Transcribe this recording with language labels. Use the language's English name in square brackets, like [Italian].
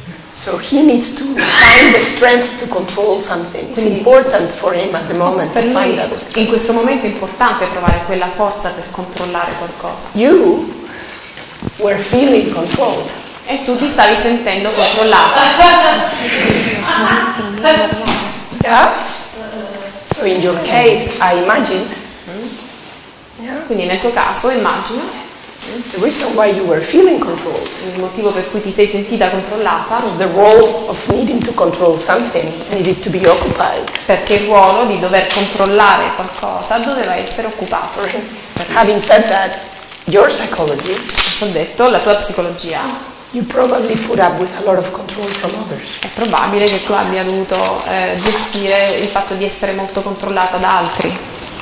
[English] So he needs to find the strength to control something. It's important for him at the moment to find that strength. [Italian] In questo momento è importante trovare quella forza per controllare qualcosa. [English] You were feeling controlled. [Italian] E tu ti stavi sentendo controllata. [English] Yeah. So in your case, I imagine. [Italian] Quindi nel tuo caso, immagino. [English] The reason why you were feeling controlled. [Italian] Il motivo per cui ti sei sentita controllata. [English] Was the role of needing to control something needed to be occupied. [Italian] Perché il ruolo di dover controllare qualcosa doveva essere occupato. [English] Having said that, your psychology. [Italian] Ho detto la tua psicologia. [English] You probably put up with a lot of control from others. [Italian] È probabile che tu abbia dovuto gestire il fatto di essere molto controllata da altri.